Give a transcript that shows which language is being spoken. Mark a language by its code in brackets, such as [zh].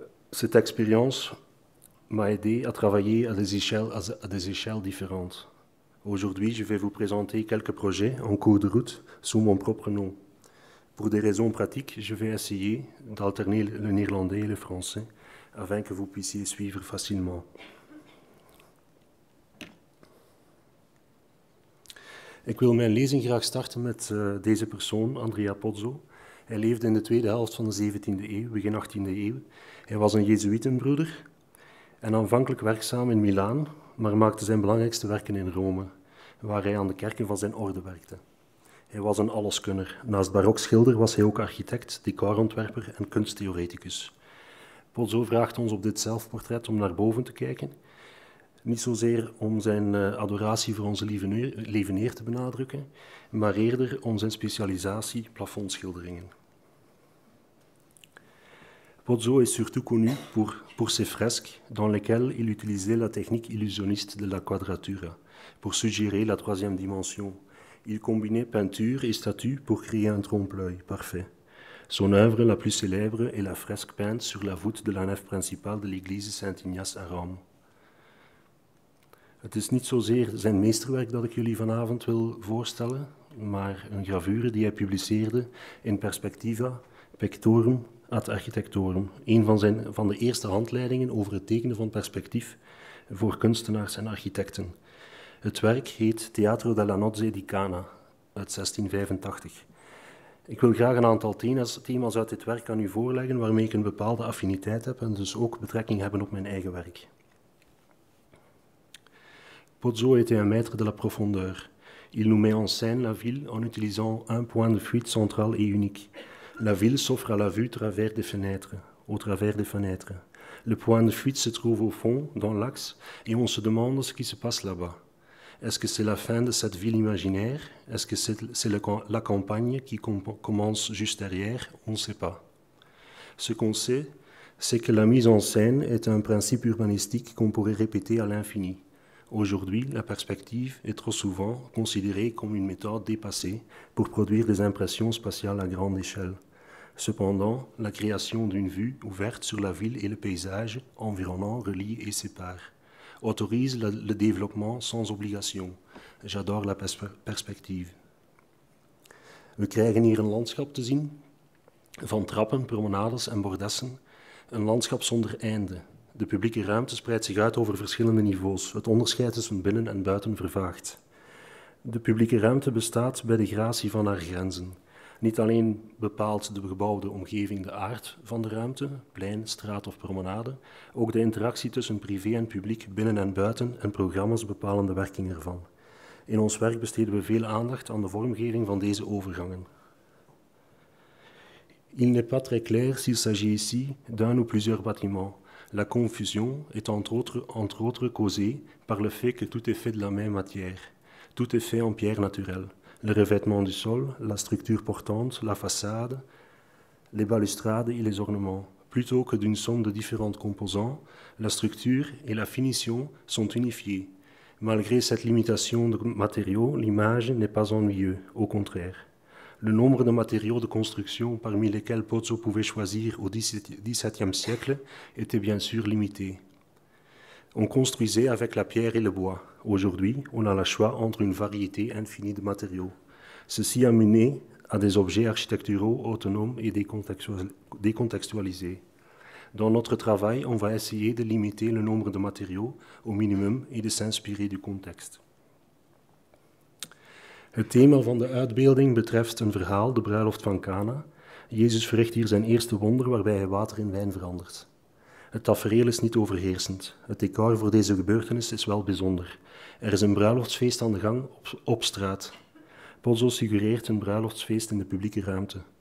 [fr] Cette expérience m'a aidé à travailler à des échelles différentes. Aujourd'hui, je vais vous présenter quelques projets en cours de route sous mon propre nom. Pour des raisons pratiques, je vais essayer d'alterner le néerlandais et le français afin que vous puissiez suivre facilement. [nl] Ik wil mijn lezing graag starten met deze persoon, Andrea Pozzo. Hij leefde in de tweede helft van de 17e eeuw, begin 18e eeuw. Hij was een Jezuïtenbroeder en aanvankelijk werkzaam in Milaan, maar maakte zijn belangrijkste werken in Rome, waar hij aan de kerken van zijn orde werkte. Hij was een alleskunner. Naast barokschilder was hij ook architect, decorontwerper en kunsttheoreticus. Pozzo vraagt ons op dit zelfportret om naar boven te kijken. Niet zozeer om zijn adoratie voor onze lieve Heer te benadrukken, maar eerder om zijn specialisatie plafondschilderingen. [fr] Pozzo is surtout connu pour ses fresques, dans lesquelles il utilisait la technique illusionniste de la quadratura, pour suggérer la troisième dimension. Il combinait peinture et statue pour créer un trompe-l'œil parfait. Son œuvre la plus célèbre est la fresque peinte sur la voûte de la nef principale de l'église Saint-Ignace à Rome. [nl] Het is niet zozeer zijn meesterwerk dat ik jullie vanavond wil voorstellen, maar een gravure die hij publiceerde in Perspectiva Pectorum ad Architectorum, een van de eerste handleidingen over het tekenen van perspectief voor kunstenaars en architecten. Het werk heet Teatro della Nozze di Cana uit 1685. Ik wil graag een aantal thema's uit dit werk aan u voorleggen waarmee ik een bepaalde affiniteit heb en dus ook betrekking hebben op mijn eigen werk. [fr] Pozzo était un maître de la profondeur. Il nous met en scène la ville en utilisant un point de fuite central et unique. La ville s'offre à la vue travers des fenêtres, au travers des fenêtres. Le point de fuite se trouve au fond, dans l'axe, et on se demande ce qui se passe là-bas. Est-ce que c'est la fin de cette ville imaginaire? Est-ce que c'est la campagne qui commence juste derrière? On ne sait pas. Ce qu'on sait, c'est que la mise en scène est un principe urbanistique qu'on pourrait répéter à l'infini. Aujourd'hui, la perspective est trop souvent considérée comme une méthode dépassée pour produire des impressions spatiales à grande échelle. Cependant, la création d'une vue ouverte sur la ville et le paysage environnant relie et sépare, autorise le développement sans obligation. J'adore la perspective. [nl] We krijgen hier een landschap te zien, van trappen, promenades en bordessen, een landschap zonder einde. De publieke ruimte spreidt zich uit over verschillende niveaus. Het onderscheid tussen binnen en buiten vervaagt. De publieke ruimte bestaat bij de gratie van haar grenzen. Niet alleen bepaalt de gebouwde omgeving de aard van de ruimte, plein, straat of promenade, ook de interactie tussen privé en publiek binnen en buiten en programma's bepalen de werking ervan. In ons werk besteden we veel aandacht aan de vormgeving van deze overgangen. [fr] Il n'est pas très clair s'il s'agit ici d'un ou plusieurs bâtiments. La confusion est entre autres causée par le fait que tout est fait de la même matière. Tout est fait en pierre naturelle. Le revêtement du sol, la structure portante, la façade, les balustrades et les ornements. Plutôt que d'une somme de différents composants, la structure et la finition sont unifiées. Malgré cette limitation de matériaux, l'image n'est pas ennuyeuse, au contraire. Le nombre de matériaux de construction parmi lesquels Pozzo pouvait choisir au XVIIe siècle était bien sûr limité. On construisait avec la pierre et le bois. Aujourd'hui, on a le choix entre une variété infinie de matériaux. Ceci a mené à des objets architecturaux autonomes et décontextualisés. Dans notre travail, on va essayer de limiter le nombre de matériaux au minimum et de s'inspirer du contexte. [nl] Het thema van de uitbeelding betreft een verhaal, de bruiloft van Cana. Jezus verricht hier zijn eerste wonder waarbij hij water in wijn verandert. Het tafereel is niet overheersend. Het decor voor deze gebeurtenis is wel bijzonder. Er is een bruiloftsfeest aan de gang op straat. Pozzo suggereert een bruiloftsfeest in de publieke ruimte.